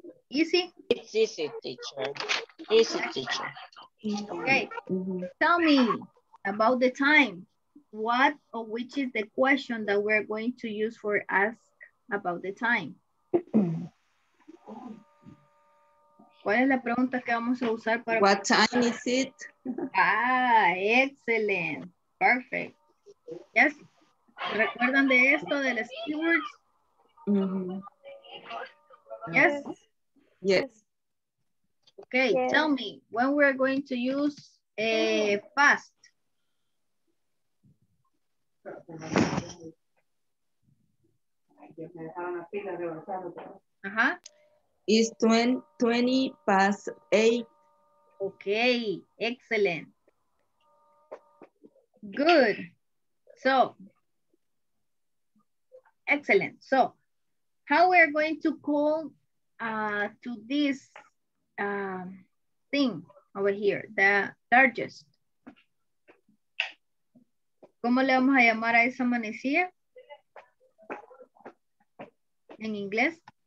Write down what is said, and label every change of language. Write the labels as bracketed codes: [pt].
[en] Easy? It's easy, teacher. Easy, teacher. Okay. Mm-hmm. Tell me about the time. What or which is the question that we're going to use for ask about the time? [es] ¿Cuál es la pregunta que vamos a usar para... [en] What time is it? Ah, excellent. Perfect. Yes. [es] ¿Recuerdan de esto, de las keywords? Mm-hmm. [en] Yes. Yes. Okay, yes. Tell me when we're going to use a past. Uh-huh. It's 20 past 8. Okay, excellent. Good. So, excellent. So, how we're going to call to this thing over here, the largest. [es] ¿Cómo le vamos a llamar a esa manecilla? En inglés.